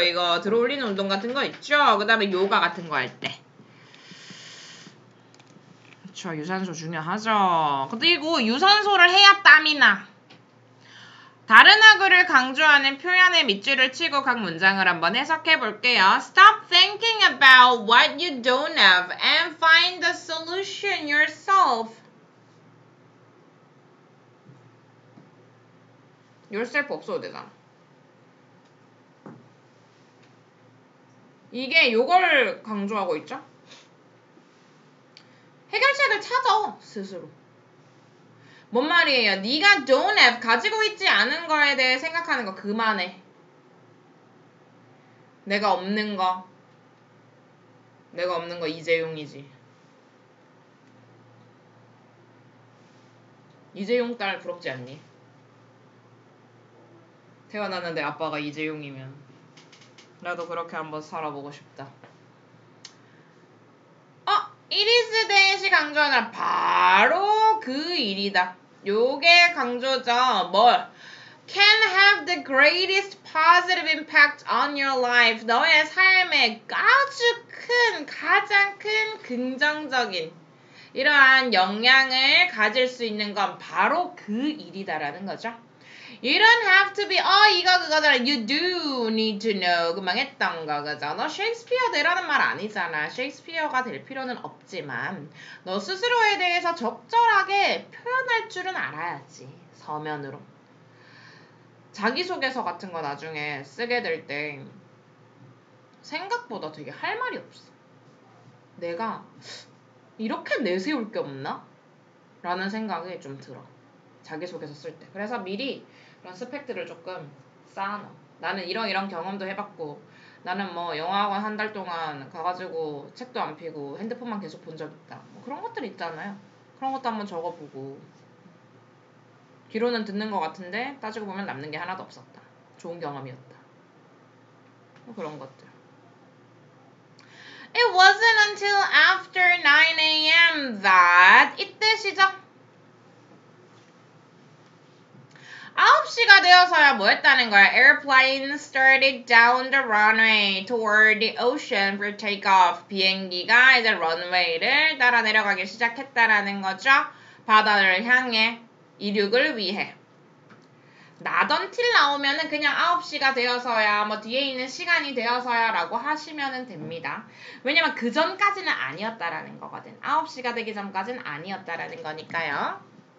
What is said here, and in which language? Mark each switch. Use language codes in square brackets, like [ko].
[ko] 이거 들어올리는 운동 같은 거 있죠? 그 다음에 요가 같은 거 할 때. 그쵸, 유산소 중요하죠. 그리고 유산소를 해야 땀이 나. 다른 어구를 강조하는 표현의 밑줄을 치고 각 문장을 한번 해석해 볼게요. [en] Stop thinking about what you don't have and find the solution yourself. [ko] yourself 없어도 되잖아. 이게 요걸 강조하고 있죠? 해결책을 찾아, 스스로. 뭔 말이에요? 네가 [en] don't have, [ko] 가지고 있지 않은 거에 대해 생각하는 거 그만해. 내가 없는 거. 내가 없는 거 이재용이지. 이재용 딸 부럽지 않니? 태어났는데 아빠가 이재용이면. 나도 그렇게 한번 살아보고 싶다. [en] It is [ko] 대시 강조하나 바로 그 일이다. 요게 강조죠. 뭘? [en] can have the greatest positive impact on your life. [ko] 너의 삶에 아주 큰, 가장 큰 긍정적인 이러한 영향을 가질 수 있는 건 바로 그 일이다라는 거죠. [en] You don't have to be, [ko] 어, 이거 그거잖아. [en] You do need to know. [ko] 금방 했던 거, 그죠? 너 셰익스피어 되라는 말 아니잖아. 셰익스피어가 될 필요는 없지만, 너 스스로에 대해서 적절하게 표현할 줄은 알아야지. 서면으로. 자기소개서 같은 거 나중에 쓰게 될 때, 생각보다 되게 할 말이 없어. 내가, 이렇게 내세울 게 없나? 라는 생각이 좀 들어. 자기소개서 쓸 때. 그래서 미리 그런 스펙들을 조금 쌓아놔. 나는 이런 경험도 해봤고, 나는 뭐 영어학원 한 달 동안 가가지고 책도 안 피고 핸드폰만 계속 본 적 있다. 뭐 그런 것들 있잖아요. 그런 것도 한번 적어보고. 귀로는 듣는 것 같은데 따지고 보면 남는 게 하나도 없었다. 좋은 경험이었다. 뭐 그런 것들. [en] It wasn't until after 9 AM that [ko] 이때 시작. 9시가 되어서야 뭐 했다는 거야? [en] Airplane started down the runway toward the ocean for takeoff. [ko] 비행기가 이제 runway를 따라 내려가기 시작했다라는 거죠. 바다를 향해 이륙을 위해. [en] Not until [ko] 나오면은 그냥 9시가 되어서야 뭐 뒤에 있는 시간이 되어서야 라고 하시면은 됩니다. 왜냐면 그 전까지는 아니었다라는 거거든. 9시가 되기 전까지는 아니었다라는 거니까요.